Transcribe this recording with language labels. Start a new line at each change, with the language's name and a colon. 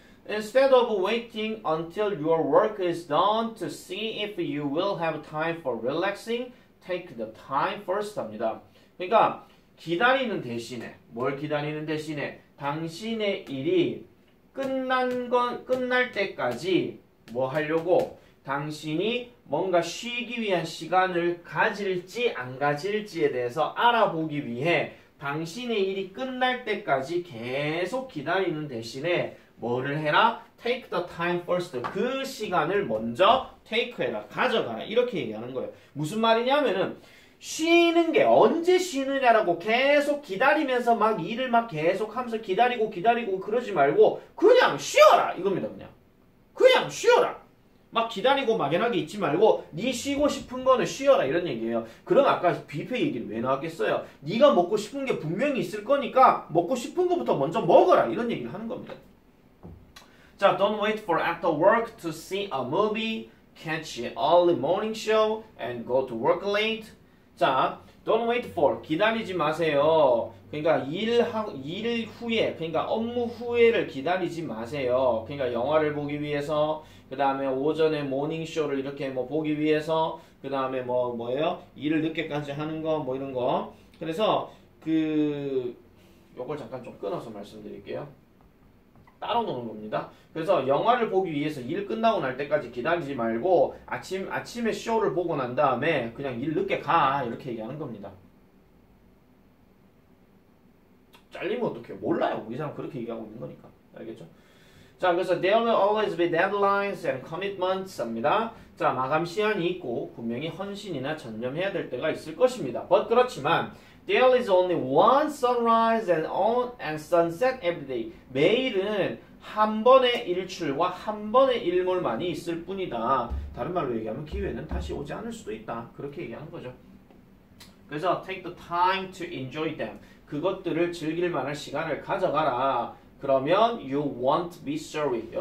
English: Instead of waiting until your work is done to see if you will have time for relaxing, take the time first
Korean: 합니다. 그러니까 기다리는 대신에 뭘 기다리는 대신에 당신의 일이 끝날 때까지 뭐 하려고 당신이 뭔가 쉬기 위한 시간을 가질지 안 가질지에 대해서 알아보기 위해 당신의 일이 끝날 때까지 계속 기다리는 대신에 뭐를 해라?
English: Take the time first.
Korean: 그 시간을 먼저 take 해라. 가져가라. 이렇게 얘기하는 거예요. 무슨 말이냐면은, 쉬는 게 언제 쉬느냐라고 계속 기다리면서 막 일을 막 계속 하면서 기다리고 그러지 말고, 그냥 쉬어라! 이겁니다, 그냥. 그냥 쉬어라! 막 기다리고 막연하게 있지 말고, 니 쉬고 싶은 거는 쉬어라. 이런 얘기예요. 그럼 아까 뷔페 얘기를 왜 나왔겠어요? 니가 먹고 싶은 게 분명히 있을 거니까, 먹고 싶은 거부터 먼저 먹어라. 이런 얘기를 하는 겁니다.
English: 자, don't wait for after work to see a movie, catch an early morning show, and go to work late.
Korean: 자,
English: don't wait for
Korean: 기다리지 마세요. 그러니까 일 후에, 그러니까 업무 후에를 기다리지 마세요. 그러니까 영화를 보기 위해서, 그 다음에 오전에 모닝 쇼를 이렇게 뭐 보기 위해서, 그 다음에 뭐 뭐예요? 일을 늦게까지 하는 거, 뭐 이런 거. 그래서 요걸 잠깐 좀 끊어서 말씀드릴게요. 따로 노는 겁니다. 그래서 영화를 보기 위해서 일 끝나고 날 때까지 기다리지 말고 아침에 쇼를 보고 난 다음에 그냥 일 늦게 가. 이렇게 얘기하는 겁니다. 잘리면 어떡해요? 몰라요. 이 사람 그렇게 얘기하고 있는 거니까. 알겠죠? 자, 그래서
English: there will always be deadlines and commitments
Korean: 합니다. 자, 마감 시한이 있고 분명히 헌신이나 전념해야 될 때가 있을 것입니다.
English: But
Korean: 그렇지만
English: There is only one sunrise and sunset every day.
Korean: 매일은 한 번의 일출과 한 번의 일몰만이 있을 뿐이다. 다른 말로 얘기하면 기회는 다시 오지 않을 수도 있다. 그렇게 얘기하는 거죠. 그래서
English: take the time to enjoy them.
Korean: 그것들을 즐길 만한 시간을 가져가라. 그러면
English: you won't be sorry.